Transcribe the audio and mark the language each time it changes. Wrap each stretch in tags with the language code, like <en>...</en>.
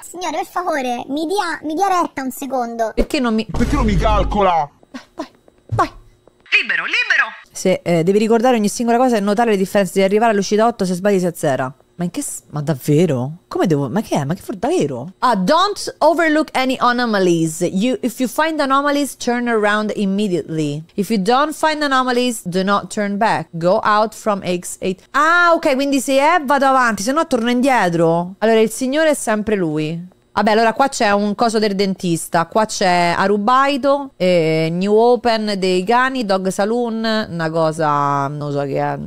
<it>Signore, per favore, mi dia retta un secondo. Perché non mi calcola? Vai. Libero. Se devi ricordare ogni singola cosa e notare le differenze di arrivare all'uscita 8, se sbagli si azzera. Ma davvero? Come devo? Ma che è? Ma che for davvero?</it> <en>Don't overlook any anomalies. If you find anomalies, turn around immediately. If you don't find anomalies, do not turn back. Go out from X8.</en> <it>Ah, ok, quindi se è vado avanti, se no torno indietro. Allora, il signore è sempre lui. Vabbè, allora qua c'è un coso del dentista, qua c'è Arubaito, New Open dei Gani, Dog Saloon, una cosa, non so che è.</it>